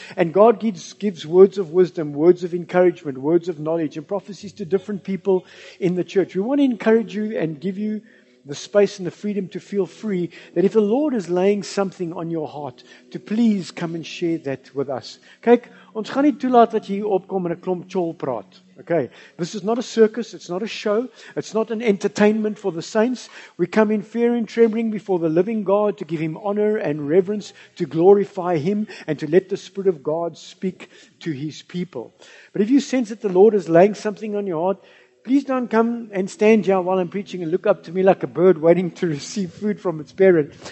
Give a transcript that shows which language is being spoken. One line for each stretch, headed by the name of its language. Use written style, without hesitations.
English: And God gives words of wisdom, words of encouragement, words of knowledge, and prophecies to different people in the church. We want to encourage you and give you the space and the freedom to feel free, that if the Lord is laying something on your heart, to please come and share that with us.
Afrikaans: Kyk, ons gaan nie toelaat dat jy hier opkom en 'n klomp tjol praat.
English: Okay, this is not a circus, it's not a show, it's not an entertainment for the saints. We come in fear and trembling before the living God to give Him honor and reverence, to glorify Him, and to let the Spirit of God speak to His people. But if you sense that the Lord is laying something on your heart, please don't come and stand here while I'm preaching and look up to me like a bird waiting to receive food from its parent.